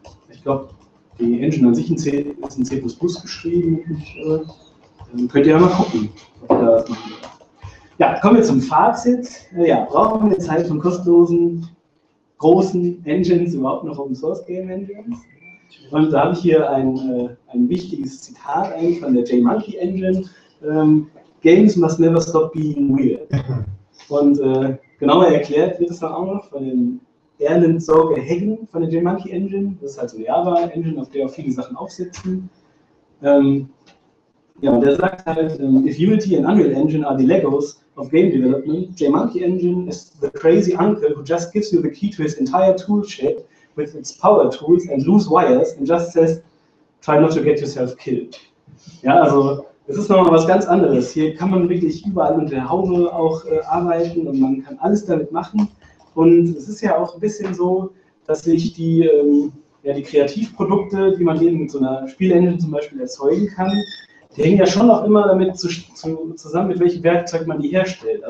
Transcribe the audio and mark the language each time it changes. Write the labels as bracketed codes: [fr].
[de] Ich glaube, die Engine an sich ist in C++ geschrieben. Könnt ihr ja mal gucken. Ja, kommen wir zum Fazit. Ja, brauchen wir jetzt halt von kostenlosen, großen Engines überhaupt noch Open Source Game Engines? Und da habe ich hier ein wichtiges Zitat eigentlich von der JMonkey Engine. [en] Games must never stop being weird. [de] Und genauer erklärt wird es dann auch noch von den Erlen Sorge Heggen von der JMonkey Engine. Das ist halt so eine Java-Engine, auf der auch viele Sachen aufsetzen. Ja, und der sagt halt, [en] if Unity and Unreal Engine are the Legos of Game Development, JMonkey Engine is the crazy uncle who just gives you the key to his entire tool shed with its power tools and loose wires and just says, try not to get yourself killed. [de] Ja, also es ist nochmal was ganz anderes. Hier kann man wirklich überall unter der Haube auch arbeiten und man kann alles damit machen. Und es ist ja auch ein bisschen so, dass sich die, ja, die Kreativprodukte, die man eben mit so einer Spielengine zum Beispiel erzeugen kann, die hängen ja schon auch immer damit zusammen, mit welchem Werkzeug man die herstellt.